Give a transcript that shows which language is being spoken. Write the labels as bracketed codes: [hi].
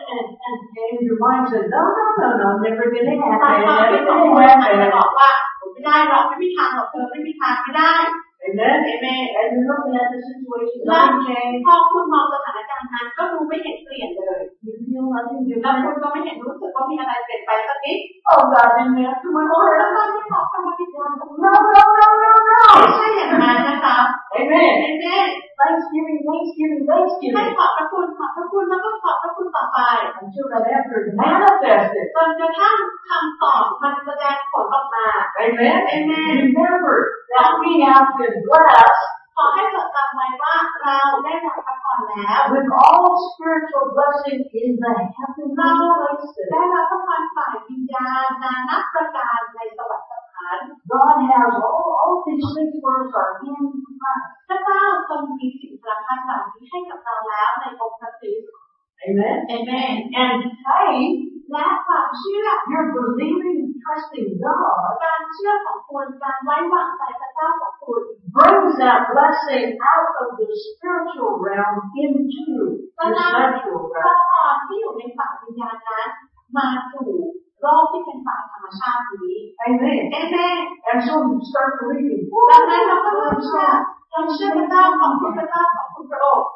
[en] And your mind says no I'm never gonna [th] happen ขอบพระคุณบอกว่าไม่ได้หรอกไม่มีทางหรอกเธอไม่มีทางไม่ได้ [en] Amen Amen And you look at the situation nothing change [th] พอคุณมองสถานการณ์นั้นก็ดูไม่เห็นเปลี่ยนเลย [en] You feel nothing [th] แล้วคุณก็ไม่เห็นรู้สึกว่ามีอะไรเปลี่ยนไปสักนิด [en] Oh God Amen [th] ทำไมโอ้ยแล้วตอนที่ขอบคุณที่ทำ [en] No [th] ไม่ใช่อย่างนั้นนะคะ [en] Amen Amen Thanksgiving [th] ให้ขอบพระคุณขอบพระคุณแล้วก็ขอบพระคุณต่อไป [en] I'm sure that after manifested [th] จนกระทั่งคำตอบมันแสดงผลออกมา [en] Amen. Remember that we have been blessed. [th] ขอให้จดจำไว้ว่าเราได้รับพระพรแล้ว [en] With all spiritual blessing in the heavenly places. [th] ได้รับพระพรฝ่ายวิญญาณนานาประการในสวรรค์สถาน [en] God has all these things for us are in Christ. [th] พระเจ้าทรงมีสิ่งสำคัญสำคัญให้กับเราแล้วในองค์พระคริสต์ [en] Amen. And faith. [th] และความเชื่อ [en] You're believing, trusting God. [th] การเชื่อของคุณการไว้วางใจพระเจ้าของคุณ [en] brings that blessing out of the spiritual realm into the natural realm. [th] พระพรที่อยู่ในฝ่ายวิญญาณนั้นมาสู่โลกที่เป็นฝ่ายธรรมชาตินี้ [en] Amen. Amen. And so you start believing. [th] ดังนั้นเราก็เริ่มเชื่อคำเชื่อพระเจ้าของคุณพระเจ้าของคุณพระองค์